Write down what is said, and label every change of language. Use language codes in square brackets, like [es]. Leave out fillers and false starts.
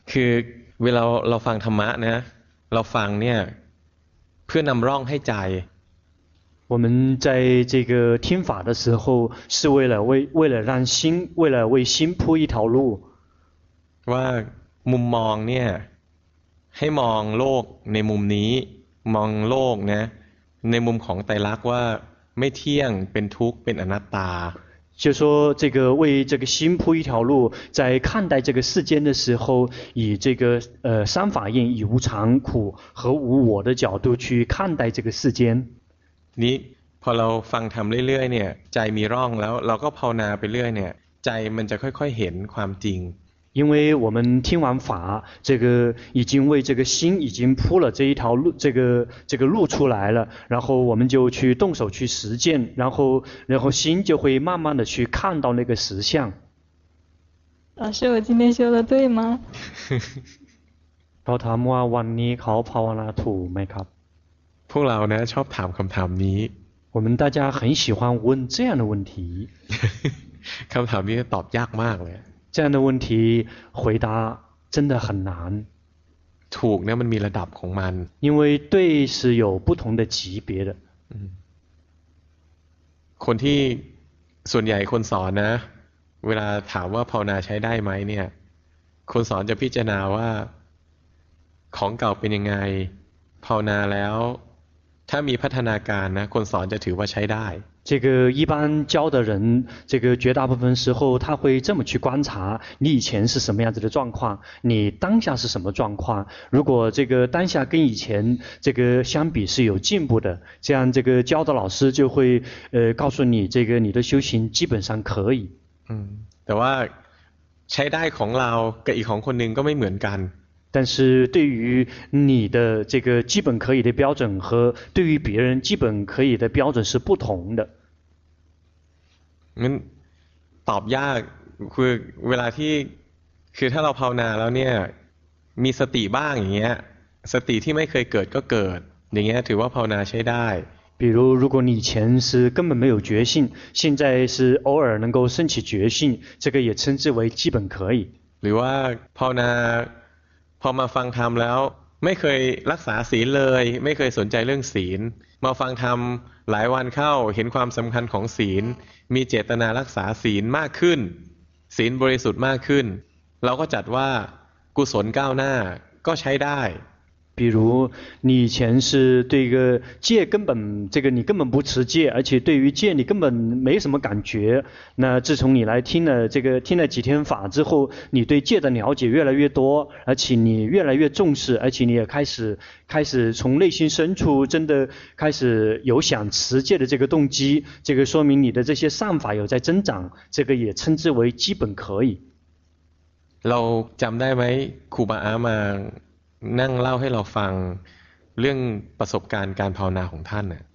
[th] คือเวลาเราฟังธรรมะนะเราฟังเนี่ยเพื่อนำร่องให้ใจ [zh] 我们在这个听法的时候是为了让心为了为心铺一条路 [th] ว่ามุมมองเนี่ยให้มองโลกในมุมนี้มองโลกนะในมุมของไตรลักษณ์ว่าไม่เที่ยงเป็นทุกข์เป็นอนัตตา [zh] 就说这个为这个心铺一条路，在看待这个世间的时候，以这个三法印，以无常苦和无我的角度去看待这个世间。 [th] 你พอเราฟังทำเรื่อยๆเนี่ยใจมีร่องแล้วเราก็ภาวนาไปเรื่อยเนี่ยใจมันจะค่อยๆเห็นความจริง [zh] 因为我们听完法，这个已经为这个心已经铺了这一条路，这个路出来了，然后我们就去动手去实践，然后心就会慢慢的去看到那个实相。老师，我今天修的对吗？ [th] เราถามว่าวันนี้เขาภาวนาถูกไหมครับ？ พวกเราเนี่ยชอบถามคำถามนี้。 [zh] 我们大家很喜欢问这样的问题。 [th] คำถามนี้ตอบยากมากเลย。 [zh] 这样的问题回答真的很难。 [th] ถูกเนี่ยมันมีระดับของมัน。 [zh] 因为对是有不同的级别的。 [th] คนที่ส่วนใหญ่คนสอนนะเวลาถามว่าภาวนาใช้ได้ไหมเนี่ยคนสอนจะพิจารณาว่าของเก่าเป็นยังไงภาวนาแล้วถ้ามีพัฒนาการนะคนสอนจะถือว่าใช้ได้ [zh] 这个一般教的人，这个绝大部分时候他会这么去观察，你以前是什么样子的状况，你当下是什么状况，如果这个当下跟以前这个相比是有进步的，这样这个教的老师就会告诉你这个你的修行基本上可以。 [th] 嗯，แต่ว่าใช้ได้ของเรากับอีกของคนหนึ่งก็ไม่เหมือนกัน。 [zh] 但是对于你的这个基本可以的标准和对于别人基本可以的标准是不同的。 [th] งั้นตอบยากคือเวลาที่คือถ้าเราภาวนาแล้วเนี่ยมีสติบ้างอย่างเงี้ยสติที่ไม่เคยเกิดก็เกิดอย่างเงี้ยถือว่าภาวนาใช้ได้ [zh] 比如如果你以前是根本没有觉性，现在是偶尔能够升起觉性，这个也称之为基本可以。 [th] หรือว่าภาวนาพอมาฟังธรรมแล้วไม่เคยรักษาศีลเลยไม่เคยสนใจเรื่องศีลมาฟังธรรมหลายวันเข้าเห็นความสำคัญของศีลมีเจตนารักษาศีลมากขึ้นศีลบริสุทธิ์มากขึ้นเราก็จัดว่ากุศลก้าวหน้าก็ใช้ได้ [zh] 比如你以前是对一个戒根本这个你根本不持戒，而且对于戒你根本没什么感觉，那自从你来听了这个听了几天法之后，你对戒的了解越来越多，而且你越来越重视，而且你也开始从内心深处真的开始有想持戒的这个动机，这个说明你的这些善法有在增长，这个也称之为基本可以。 [th] เราจำได้ไหมครูบาอามานั่งเล่าให้เราฟังเรื่องประสบการณ์การภาวนาของท่านน่ะ